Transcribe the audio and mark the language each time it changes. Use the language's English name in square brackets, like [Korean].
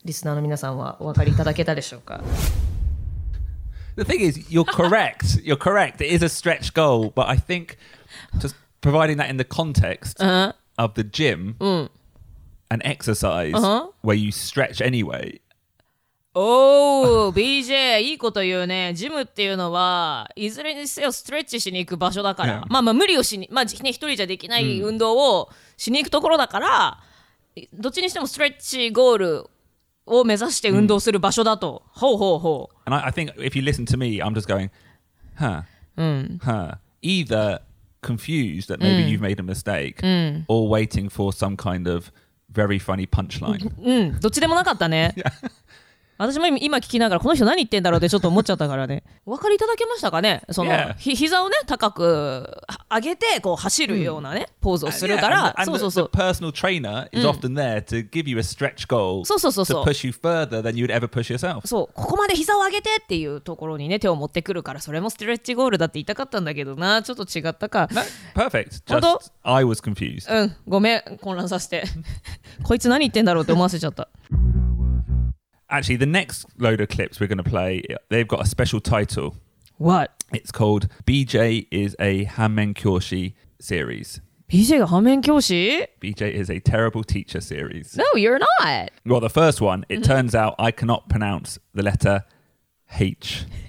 [Japanese] リスナーの皆さんはお分かりいただけたでしょうか? [English] The thing is, you're correct. You're correct. It is a stretch goal. But I think just providing that in the context、 uh-huh. of the gym...、うん An exercise、uh-huh. where you stretch anyway. [Japanese] Oh, BJ, いいこと言うね。ジムっていうのはいずれにせよストレッチしに行く場所だから。 Yeah. まあまあ無理をしに、まあね一人じゃできない運動をしに行くところだから、どっちにしてもストレッチゴールを目指して運動する場所だと。 Mm. ほうほうほう。 [English] And I think if you listen to me, I'm just going, either confused that maybe you've made a mistake, or waiting for some kind of Very funny punchline. [Japanese] うん、どっちでもなかったね。私も今聞きながらこの人何言ってんだろうってちょっと思っちゃったからね。お分かりいただけましたかね。その、 yeah. 膝をね高く上げてこう走るようなね、mm. ポーズをするから、 yeah. そうそうそう。 [English] The personal trainer is often there to give you a stretch goal、 [Japanese] うん、そう [English] to push you further than you'd ever push yourself. [Japanese] そう、ここまで膝を上げてっていうところにね手を持ってくるから、それもストレッチゴールだって言いたかったんだけどな、ちょっと違ったか。 [English] No, perfect. Just I was confused. [Japanese] うん、ごめん混乱させて。こいつ何言ってんだろうって思わせちゃった。 [English] Actually, the next load of clips we're going to play, they've got a special title. What? It's called BJ is a Hanmenkyoshi series. [Japanese] BJ が Hanmenkyoshi? [English] BJ is a terrible teacher series. No, you're not. Well, the first one, it turns out I cannot pronounce the letter H.